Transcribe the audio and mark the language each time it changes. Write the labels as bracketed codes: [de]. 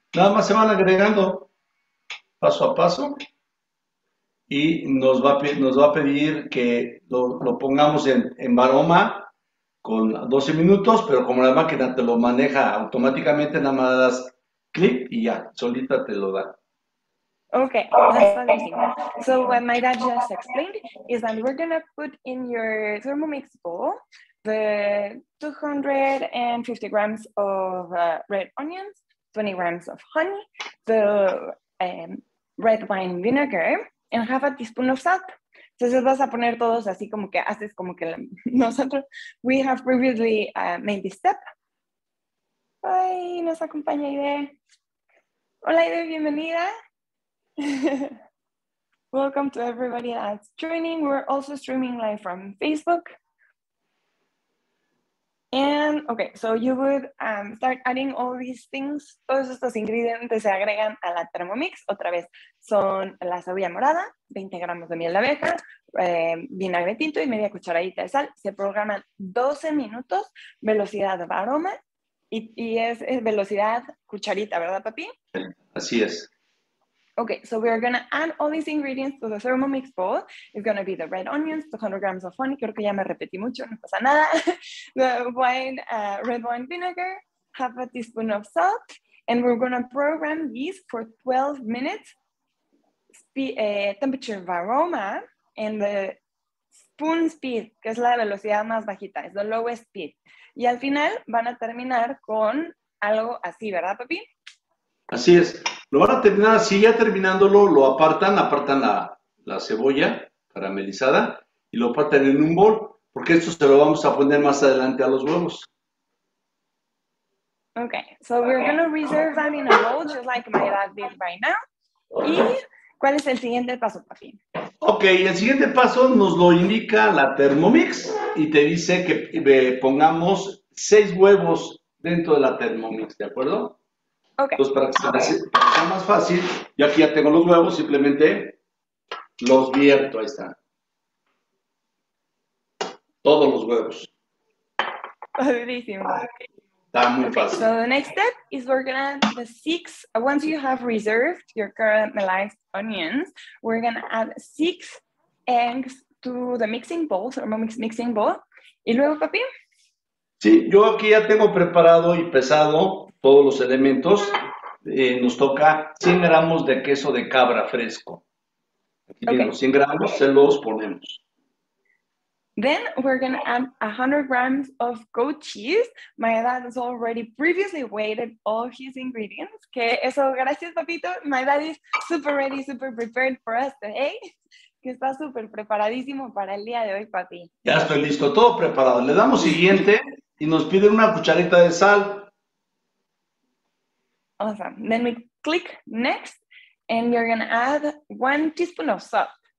[es] Nada más se van agregando paso a paso y nos va a pedir que lo pongamos en baroma con 12 minutos, pero como la máquina te lo maneja automáticamente, nada más das clic y ya, solita te lo da. [en] Okay, that's amazing. So what my dad just explained is that we're going to put in your Thermomix bowl the 250 grams of red onions, 20 grams of honey, the red wine vinegar, and half a teaspoon of salt. [es] Entonces vas a poner todos así como que haces como que nosotros. [en] We have previously made this step. [es] Ay, nos acompaña Ide. Hola Ide, bienvenida. [en] Welcome to everybody that's joining. We're also streaming live from Facebook. And okay, so you would start adding all these things. [es] Todos estos ingredientes se agregan a la Thermomix. Otra vez son la cebolla morada, 20 gramos de miel de abeja, vinagre tinto y media cucharadita de sal. Se programan 12 minutos, velocidad baroma y es velocidad cucharita, ¿verdad, papi? Así es. [en] Okay, so we are going to add all these ingredients to the Thermomix bowl. It's going to be the red onions, 200 grams of honey. [es] Creo que ya me repetí mucho, no pasa nada. [en] The wine, red wine vinegar, half a teaspoon of salt. And we're going to program these for 12 minutes. Temperature varoma and the spoon speed, [es] que es la velocidad más bajita, es [en] the lowest speed. [es] Y al final van a terminar con algo así, ¿verdad, papi? Así es. Lo van a terminar así, ya terminándolo, lo apartan la cebolla caramelizada y lo apartan en un bol, porque esto se lo vamos a poner más adelante a los huevos. [en] Okay, so we're going to reserve that in a bowl, just like my dad did right now. [es] ¿Y cuál es el siguiente paso, papi? Okay, el siguiente paso nos lo indica la Thermomix y te dice que pongamos 6 huevos dentro de la Thermomix, ¿de acuerdo? [en] Okay. [es] Pues para que sea más fácil, yo aquí ya tengo los huevos, simplemente los vierto, ahí está. Todos los huevos. Padrísimo. Está muy fácil. [en] So the next step is we're going to add the 6, once you have reserved your caramelized onions, we're going to add 6 eggs to the mixing bowl, Thermomix mixing bowl. [es] ¿Y luego, papi? Sí, yo aquí ya tengo preparado y pesado todos los elementos, nos toca 100 gramos de queso de cabra fresco. Aquí tienen los 100 gramos, se los ponemos. [en] Then we're going to add 100 grams of goat cheese. My dad has already previously weighed all his ingredients. [es] Que eso, gracias papito. [en] My dad is super ready, super prepared for us today. [es] Que está super preparadísimo para el día de hoy, papi. Ya estoy listo, todo preparado. Le damos siguiente y nos piden una cucharita de sal. [en] Awesome. Then we click next and you're going to add 1 teaspoon of salt.